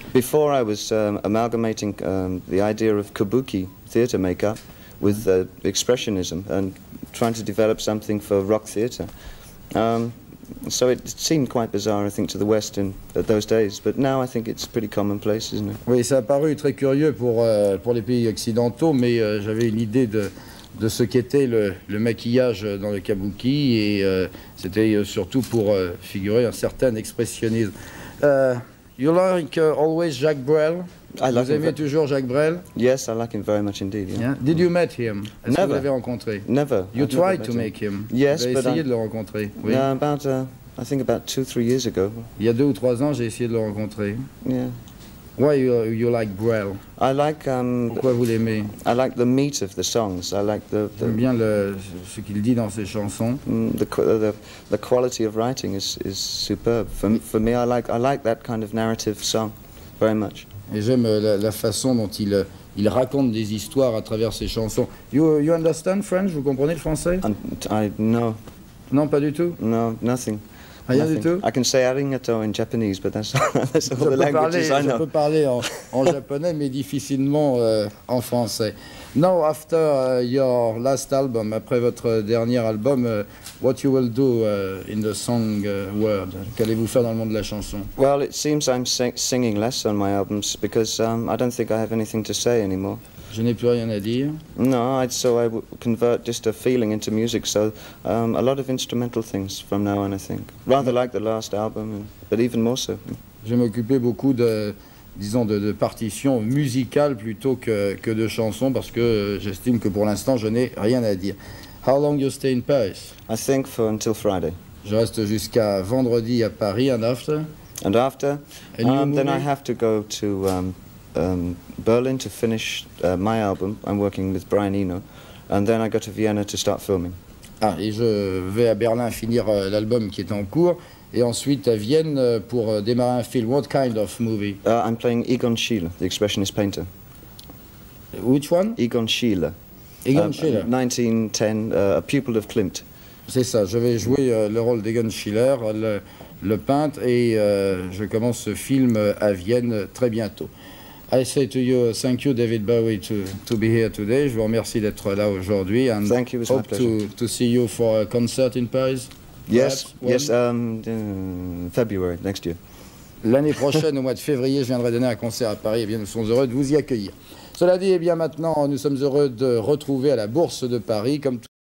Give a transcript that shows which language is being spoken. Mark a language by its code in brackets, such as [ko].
[en] Before I was amalgamating the idea of kabuki theater makeup with expressionism and trying to develop something for rock theater. So it seemed quite bizarre, I think, to the West in those days. But now I think it's pretty commonplace, isn't it? [fr] Oui, ça a paru très curieux pour les pays occidentaux, mais j'avais une idée de ce qu'était le maquillage dans le kabuki, et c'était surtout pour figurer un certain expressionnisme. [en] You like always Jacques Brel? [fr] Vous aimez toujours Jacques Brel? [en] Yes, I like him very much indeed. Yeah. Yeah. Did you meet him? Never. [fr] Est-ce que vous l'avez rencontré? [en] Never. You tried to make him. Yes, [fr] j'ai essayé de le rencontrer. Oui. [en] No, about, I think about 2-3 years ago. [fr] Il y a 2 ou 3 ans, j'ai essayé de le rencontrer. [en] Yeah. Why you like Brel? I like. [fr] Pourquoi vous l'aimez? [en] I like the meat of the songs. I like the. [fr] J'aime bien ce qu'il dit dans ses chansons. [en] The quality of writing is superb. For me, I like that kind of narrative song, very much. [fr] Et j'aime la façon dont il raconte des histoires à travers ses chansons. [en] You understand French? [fr] Vous comprenez le français? Non, pas du tout. [en] No, nothing. [fr] Rien du tout. [en] I can say arigato in Japanese, but that's all the languages [fr] parler, [en] I know. [fr] Je peux parler en japonais, mais difficilement en français. [en] Now, after your last album, [fr] après votre dernier album, [en] what you will do in the song world? [fr] Qu'allez-vous faire dans le monde de la chanson? [en] Well, it seems I'm singing less on my albums because I don't think I have anything to say anymore. [fr] Je n'ai plus rien à dire. [en] No, so I convert just a feeling into music. So a lot of instrumental things from now on, I think. Rather like the last album, but even more so. [fr] Je m'occupais beaucoup de partitions musicales plutôt que de chansons, parce que j'estime que pour l'instant je n'ai rien à dire. [en] How long you stay in Paris? I think until Friday. [fr] Je reste jusqu'à vendredi à Paris, [en] and after. And after, and then I have to go to Berlin to finish my album. I'm working with Brian Eno, and then I go to Vienna to start filming. [fr] Ah, et je vais à Berlin finir l'album qui est en cours, et ensuite à Vienne pour démarrer un film. [en] What kind of movie? I'm playing Egon Schiele, the expressionist painter. Which one? Egon Schiele. Egon Schiele. 1910, a pupil of Klimt. [fr] C'est ça, je vais jouer le rôle d'Egon Schiller, le peintre, et je commence ce film à Vienne très bientôt. [en] I say to you, thank you, David Bowie, to be here today. [fr] Je vous remercie d'être là aujourd'hui. [en] And thank you, it was hope my pleasure. To see you for a concert in Paris. Yes, yes, February, next year. [fr] L'année prochaine, au mois de février, je viendrai donner un concert à Paris. Eh bien, nous sommes heureux de vous y accueillir. Cela dit, eh bien, maintenant, nous sommes heureux de retrouver à la Bourse de Paris, comme tout